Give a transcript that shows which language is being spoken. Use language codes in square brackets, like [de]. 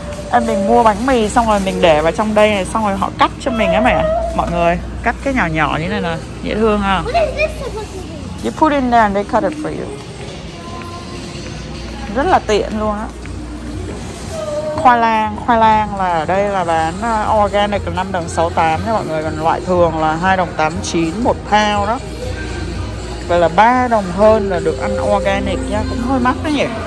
[vi] Em mình mua bánh mì xong rồi mình để vào trong đây này, xong rồi họ cắt cho mình ấy mẹ. Mọi người cắt cái nhỏ nhỏ như này nè, dễ thương ha. [en] You put in there and they cut it for you. [vi] Rất là tiện luôn á. Khoai lang là ở đây là bán organic 5 đồng 68 nha mọi người, còn loại thường là 2 đồng 89 một pound đó. Vậy là 3 đồng hơn là được ăn organic nha, cũng hơi mắc đó nhỉ.